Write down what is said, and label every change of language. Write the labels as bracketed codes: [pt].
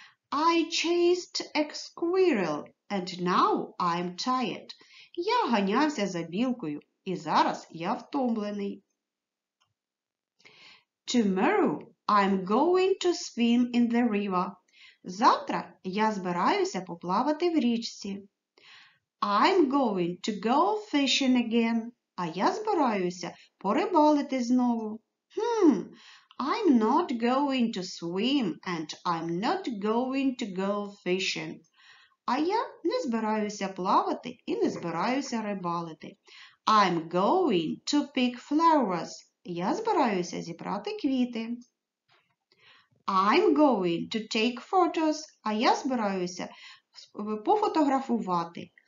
[en] I chased a squirrel and now I'm tired. [uk] Я ганявся за білкою. І зараз я втомлений. [en] Tomorrow I'm going to swim in the river. [uk] Завтра я збираюся поплавати в річці. [en] I'm going to go fishing again. [uk] А я збираюся порибалити знову. [en] I'm not going to swim and I'm not going to go fishing. [uk] А я не збираюся плавати і не збираюся рибалити. [en] I'm going to pick flowers. [uk] Я збираюся зібрати квіти. [en] I'm going to take photos. [uk] А я збираюся пофотографувати.